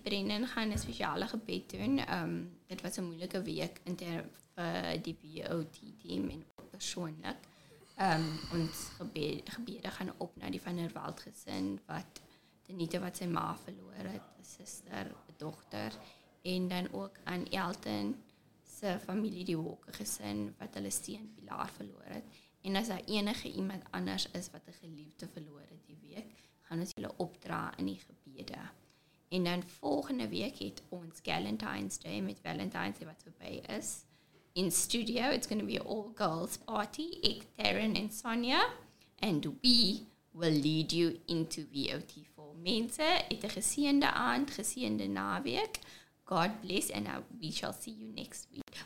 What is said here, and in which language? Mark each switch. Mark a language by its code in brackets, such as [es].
[af] Brendan gaan een speciale gebed doen. Dit was een moeilike week in die BOT team en persoonlik. Ons gebede gaan op na die Van der Walt gezin, wat Denita wat sy ma verloor het, sister, dochter, en dan ook aan Elton sy familie die Walker gezin, wat hulle steen Pilaar verloor het. En as daar enige iemand anders is wat 'n geliefde verloor het die week, gaan ons julle opdra in die gebede. En dan volgende week het ons Galentine's Day met Valentine's Day wat voorbij is. [en] In studio, it's going to be an all-girls party. Ek, Taryn and Sonia. And we will lead you into VOT4. [af] Mense, het 'n geseënde aand, geseënde naweek. [en] God bless and we shall see you next week.